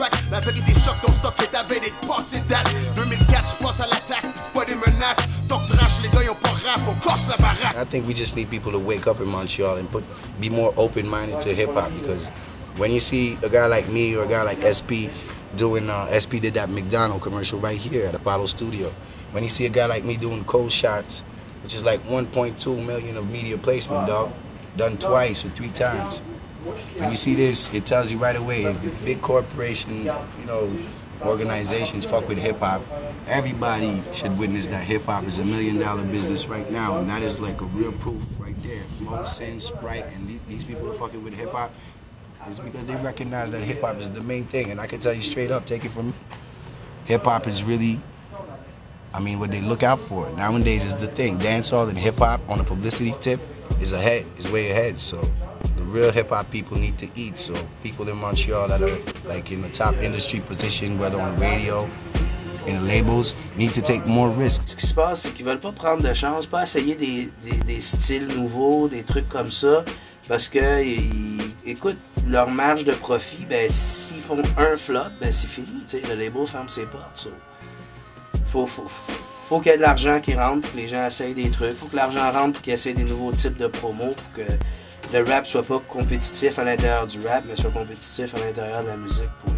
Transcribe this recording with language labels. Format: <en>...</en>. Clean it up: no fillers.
<fr>La vérité choque ton stock et ta veille d'être passé date. 2004, je passe à l'attaque, c'est pas des menaces. Top trash, les gars, y'ont pas rap, on casse la baraque.</fr> <en>I think we just need people to wake up in Montreal and be more open-minded to hip-hop. Because when you see a guy like me or a guy like SP doing, SP did that McDonald's commercial right here at Apollo Studio. When you see a guy like me doing cold shots, which is like 1.2 million of media placement, dog, done twice or three times. When you see this, it tells you right away, big corporation, you know, organizations fuck with hip-hop. Everybody should witness that hip-hop is a $1 million business right now, and that is like a real proof right there. Smoke, Sin, Sprite, and these people are fucking with hip-hop. It's because they recognize that hip-hop is the main thing, and I can tell you straight up, take it from me, hip-hop is really, I mean, what they look out for. Nowadays is the thing. Dancehall and hip-hop on a publicity tip is ahead, is way ahead, so. Real hip-hop people need to eat, so people in Montreal that are like in the top industry position, whether on radio, in labels, need to take more risks.</en> <fr>Ce qui se passe, c'est qu'ils veulent pas prendre de chance, pas essayer des styles nouveaux, des trucs comme ça, parce que, écoute, leur marge de profit, ben s'ils font un flop, ben c'est fini, tu sais, le label ferme ses portes, so. Faut qu'il y ait de l'argent qui rentre pour que les gens essayent des trucs, faut que l'argent rentre pour qu'ils essayent des nouveaux types de promos, pour que le rap soit pas compétitif à l'intérieur du rap, mais soit compétitif à l'intérieur de la musique.</fr>